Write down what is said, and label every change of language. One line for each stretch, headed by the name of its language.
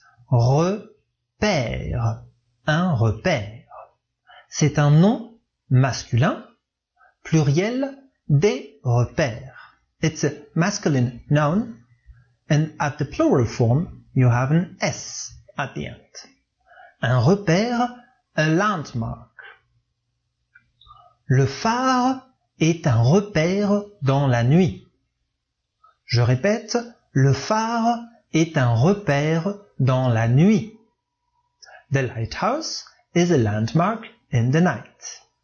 French: Repère. Un repère. C'est un nom masculin, pluriel des repères.
English: It's a masculine noun, and at the plural form, you have an S at the end.
French: Un repère,
English: a landmark.
French: Le phare est un repère dans la nuit. Je répète, le phare est un repère dans la nuit.
English: The lighthouse is a landmark in the night.